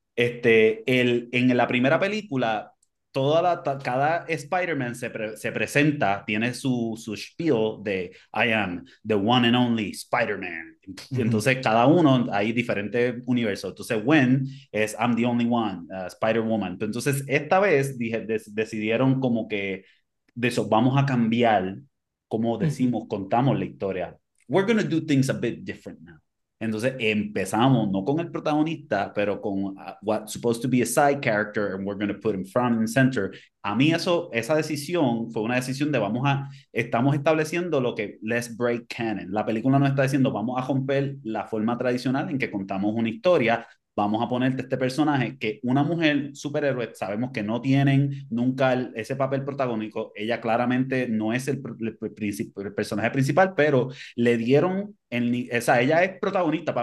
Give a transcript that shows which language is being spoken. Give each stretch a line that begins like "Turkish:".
Spanish: en la primera película, cada Spider-Man se presenta, tiene su spiel de
English: I am the one and only Spider-Man.
Spanish: Entonces, cada uno, hay diferentes universos. Entonces, Gwen es
English: I'm the only one,
Spanish: Spider-Woman. Entonces, esta vez decidieron como que de eso vamos a cambiar cómo decimos, contamos la historia.
English: We're going to do things a bit different now.
Spanish: Entonces empezamos no con el protagonista, pero con
English: what's supposed to be a side character and we're going to put him front and center.
Spanish: A mí esa decisión fue una decisión de estamos estableciendo lo que
English: let's break canon.
Spanish: La película nos está diciendo, vamos a romper la forma tradicional en que contamos una historia, vamos a ponerte este personaje que una mujer superhéroe, sabemos que no tienen nunca ese papel protagónico, ella claramente no es el personaje principal, pero le dieron o sea, ella es protagonista.